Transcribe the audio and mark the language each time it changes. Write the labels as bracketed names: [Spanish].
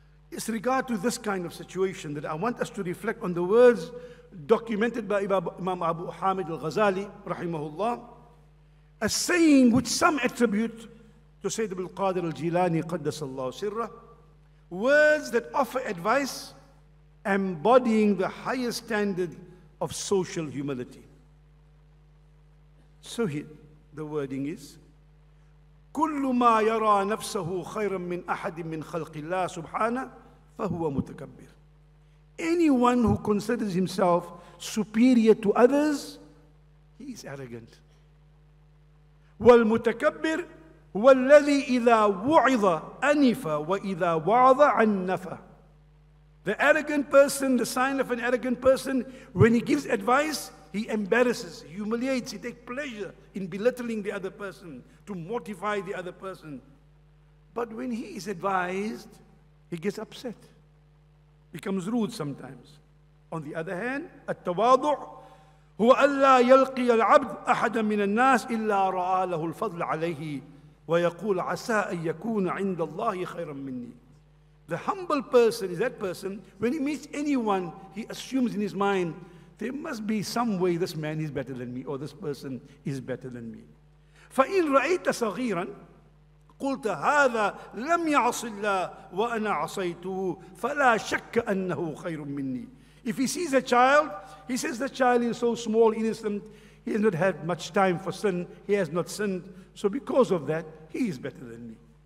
[English] It's regard to this kind of situation that I want us to reflect on the words documented by Imam Abu Hamid al-Ghazali, rahimahullah, a saying which some attribute to Sayyid Abdul Qadir al-Jilani, qaddasallahu sirrah, words that offer advice embodying the highest standard of social humility. So here, the wording is, [Arabic] كُلُّ مَا يَرَى نَفْسَهُ خَيْرًا مِّنْ أَحَدٍ مِّنْ خَلْقِ اللَّهِ سُبْحَانَهُ فَهُوَ مُتَكَبِّرٌ. [English] Anyone who considers himself superior to others, he is arrogant. [Arabic] وَالْمُتَكَبِّرُ وَالَّذِي إِذَا وُعِظَ أَنِفَ وَإِذَا وَعَظَ عَنَّفَ. [English] The arrogant person, the sign of an arrogant person, when he gives advice, he embarrasses, he humiliates, he takes pleasure in belittling the other person, to mortify the other person. But when he is advised, he gets upset, becomes rude sometimes. On the other hand, [Arabic] التَّوَاضُعُ هو ألا يلقي العبد أحدا من الناس إلا رعى له الفضل عليه ويقول عسى أن يكون عند الله خيرا مني. [English] The humble person is that person, when he meets anyone, he assumes in his mind, there must be some way this man is better than me, or this person is better than me. [Arabic] فإن رأيت صغيرا قلت هذا لم يعص الله وأنا عصيته فلا شك أنه خير مني. [English] If he sees a child, he says the child is so small, innocent, he has not had much time for sin, he has not sinned, so because of that, he is better than me.